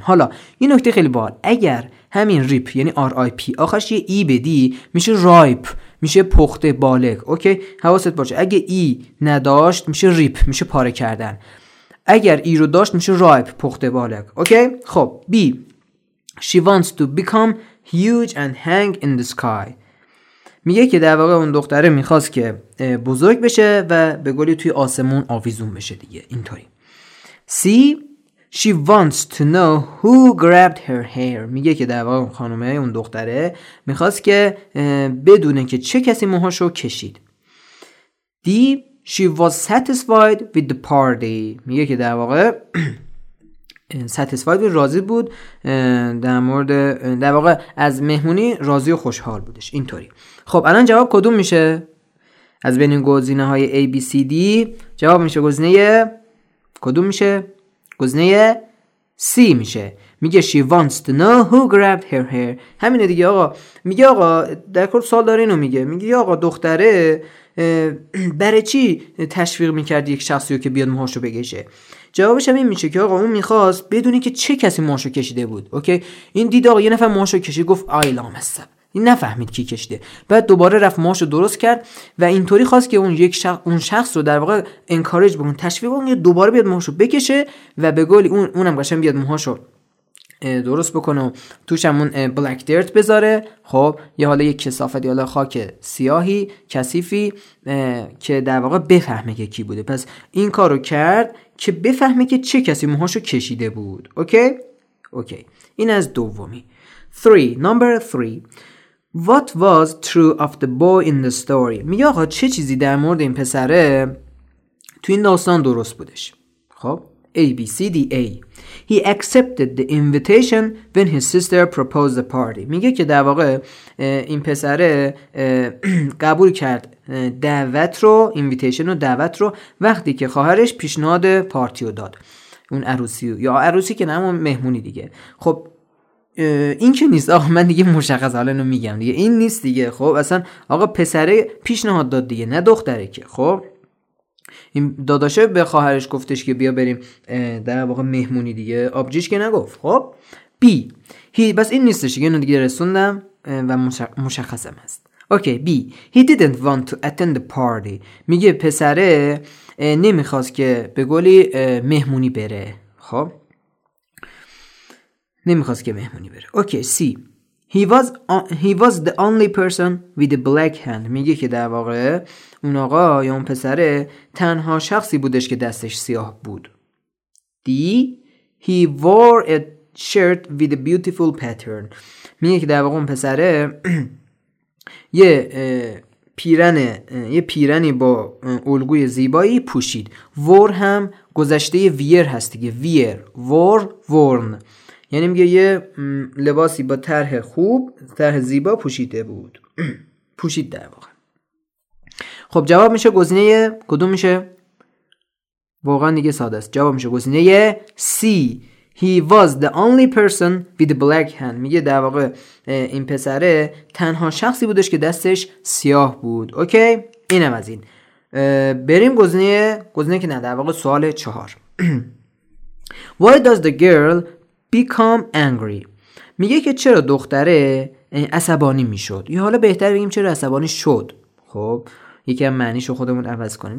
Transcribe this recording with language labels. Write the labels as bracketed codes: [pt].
[fa] حالا این نکته خیلی باحال، اگر همین ریپ یعنی آر آی پی آخرش یه ای بدی میشه رایپ، میشه پخته بالغ. اوکی حواست باشه، اگه ای نداشت میشه ریپ، میشه پاره کردن، اگر ای رو داشت میشه رایپ، پخته بالغ. اوکی خب B. [en] She wants to become huge and hang in the sky. [fa] میگه که در واقع اون دختره میخواست که بزرگ بشه و به گلی توی آسمون آویزون بشه دیگه، اینطوری. C. [en] She wants to know who grabbed her hair. [fa] میگه که در واقع خانومه اون دختره میخواست که بدونه که چه کسی موهاشو کشید. [en] D. She was satisfied with the party. [fa] میگه که در واقع satisfied و راضی بود در مورد، در واقع از مهمونی راضی و خوشحال بودش، اینطوری. خب الان جواب کدوم میشه از بین گزینه های A B C D؟ جواب میشه گزینه کدوم میشه؟ گزینه C میشه. [en] میگه she wants to know who grabbed her hair. [fa] همینه دیگه آقا. میگه آقا در کل سوال داره اینو میگه، میگه آقا دختره برای چی تشویق میکرد یک شخصی رو که بیاد موهاشو بگشه؟ جوابش هم این میشه که آقا اون میخواست بدونه که چه کسی موهاشو کشیده بود. اوکی این دید آقا یه نفر موهاشو کشید، گفت آی لامصب، این نفهمید کی کشیده، بعد دوباره رفت موهاشو درست کرد و اینطوری خواست که اون یک شخص، اون شخص رو در واقع انکاریج بکنه، تشویق بکنه دوباره بیاد موهاشو بکشه و به گلی اونم قشنگ بیاد موهاشو درست بکنه و توشم اون بلک دیرت بذاره. خب یه حالا یک کثافت، یه حالا خاک سیاهی کثیفی که در واقع بفهمه که کی بوده. پس این کارو کرد که بفهمه که چه کسی موهاشو کشیده بود. اوکی اوکی، این از دومی. 3 [en] number 3. What was true of the boy in the story. [fa] میگه آقا چه چیزی در مورد این پسره تو این داستان درست بودش؟ خب A B C D A. [en] He accepted the invitation when his sister proposed the party. [fa] میگه که در واقع این پسره قبول کرد دعوت رو، invitation رو، دعوت رو، وقتی که خواهرش پیشنهاد پارتی رو داد، اون عروسی رو. یا عروسی که نه، اون مهمونی دیگه. خب این که نیست آقا، من دیگه مشخص حالا اینو میگم دیگه، این نیست دیگه. خب اصلا آقا پسره پیشنهاد داد دیگه، نه دختره که. خب این داداشه به خواهرش گفتش که بیا بریم در واقع مهمونی دیگه، آبجیش که نگفت. خب B. He... بس این نیستش که، اینو دیگه رسوندم و مشخصم هست. [en] Okay B. He didn't want to attend the party. [fa] میگه پسره نمیخواست که به گلی مهمونی بره. خب نمیخواست که مهمونی بره. اوکی C. [en] He was the only person with a black hand. [fa] میگه که در واقع اون آقا یا اون پسره تنها شخصی بودش که دستش سیاه بود. D. [en] He wore a shirt with a beautiful pattern. [fa] میگه که در واقع اون پسره یه پیرنه، یه پیرنی با الگوی زیبایی پوشید. وور هم گذشته ویر هست دیگه، ویر، وور، وورن، یعنی میگه یه لباسی با طرح خوب، طرح زیبا پوشیده بود. پوشید در واقع. خب جواب میشه گزینه کدوم میشه؟ واقعا دیگه ساده است. جواب میشه گزینه C. [en] He was the only person with black hand. [fa] میگه در واقع این پسره تنها شخصی بودش که دستش سیاه بود. اوکی؟ اینم از این. بریم گزینه که نه، در واقع سوال 4. [en] Why does the girl become angry؟ [fa] میگه که چرا دختره عصبانی میشد؟ یا حالا بهتر بگیم چرا عصبانی شد؟ خب یکم معنیشو خودمون عوض کنیم.